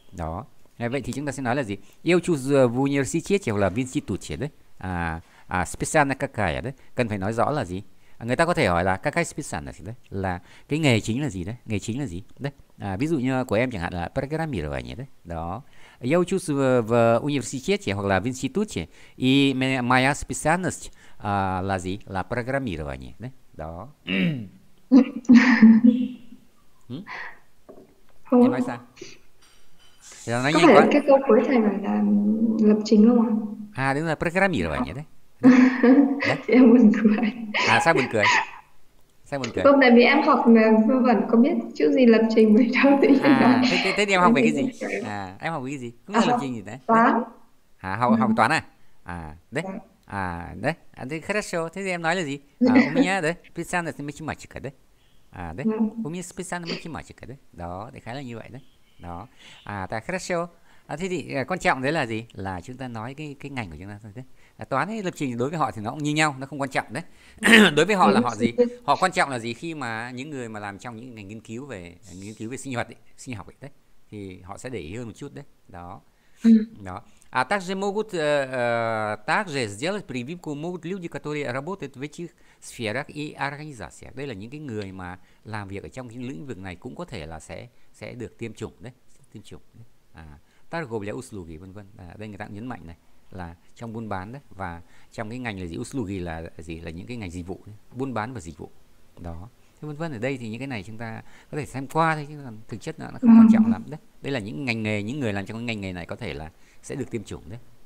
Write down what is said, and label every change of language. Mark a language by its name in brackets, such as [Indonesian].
[Vietnamese] Đó, vậy thì chúng ta sẽ nói là gì, yêu chủ [Russian] в университете, [Vietnamese] hoặc là [Russian] в институте [Vietnamese] đấy, [Russian] специально какая [Vietnamese] đấy, cần phải nói rõ là gì. Người ta có thể hỏi là [Russian] какая специальность [Vietnamese] đấy, là cái nghề chính là gì đấy, nghề chính là gì đấy. Ví dụ như của em chẳng hạn là программирование đấy. Đó. [Russian] Я учусь в университете, [Vietnamese] hoặc là [Russian] в институте, и моя специальность [Vietnamese] là gì? Là программирование. Đấy. Đó. Em nói sao? Có phải là cái câu cuối thầy nói là lập trình không ạ? À, đúng là программирование đấy. Đấy. Em buồn cười. À, sao buồn cười? Sao buồn cười? Không, tại vì em học vẫn có biết chữ gì lập trình với đâu tự nhiên. Thế thì em học về cái gì? À, em học về cái gì? Cũng là lập trình gì đấy? Toán. À, học toán à? À, đấy. À, đấy. À, thế khá là sâu. Thế thì em nói là gì? [Russian] À, у меня, да, специальность математика, да. [Vietnamese] À, đấy. [Russian] У меня специальность математика, да. [Vietnamese] Đó, thì khá là như vậy đấy. Đó. À, ta khá là sâu. À, thế thì quan trọng đấy là gì? Là chúng ta nói cái ngành của chúng ta thôi đấy. À, toán hay lập trình đối với họ thì nó cũng như nhau, nó không quan trọng đấy. Đối với họ là họ gì? Họ quan trọng là gì? Khi mà những người mà làm trong những ngành nghiên cứu về sinh vật, sinh học ấy đấy, thì họ sẽ để ý hơn một chút đấy. Đó. Đó. [Russian] À, также могут также сделать прививку могут люди, которые работают в этих сферах и организациях. [Vietnamese] Đây là những cái người mà làm việc ở trong những lĩnh vực này cũng có thể là sẽ được tiêm chủng đấy, tiêm chủng. Đấy. À, tác gồm là услуги, vân vân. À, đây người ta cũng nhấn mạnh này. Là trong buôn bán đấy, và trong cái ngành là gì, услуги là gì, là những cái ngành dịch vụ đấy. Buôn bán và dịch vụ đó, thế vân vân. Ở đây thì những cái này chúng ta có thể xem qua thôi, chứ còn thực chất nó không quan trọng lắm đấy. Đây là những ngành nghề, những người làm trong cái ngành nghề này có thể là sẽ được tiêm chủng đấy.